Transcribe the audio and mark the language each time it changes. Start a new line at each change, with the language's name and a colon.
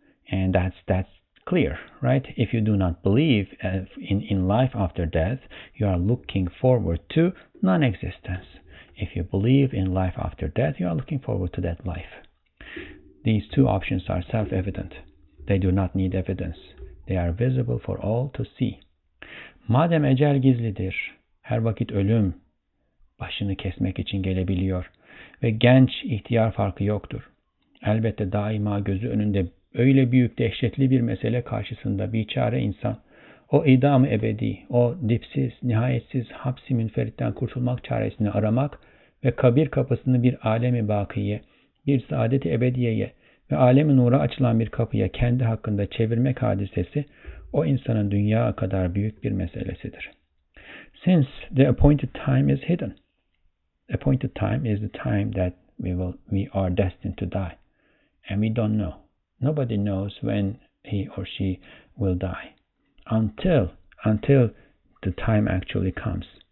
English: And that's clear, right? If you do not believe in life after death, you are looking forward to non-existence. If you believe in life after death, you are looking forward to that life. These two options are self-evident. They do not need evidence. They are visible for all to see.
Turkish: Madem ecel gizlidir, her vakit ölüm başını kesmek için gelebiliyor ve genç ihtiyar farkı yoktur. Elbette daima gözü önünde öyle büyük dehşetli bir mesele karşısında biçare insan, o idam-ı ebedi, o dipsiz, nihayetsiz hapsi münferitten kurtulmak çaresini aramak ve kabir kapısını bir alemi bakiye, bir saadet-i ebediyeye ve alemi nura açılan bir kapıya kendi hakkında çevirmek hadisesi, o insanın dünya kadar büyük bir meselesidir.
English: since the appointed time is hidden. Appointed time is the time that we are destined to die, and we don't know. Nobody knows when he or she will die until the time actually comes.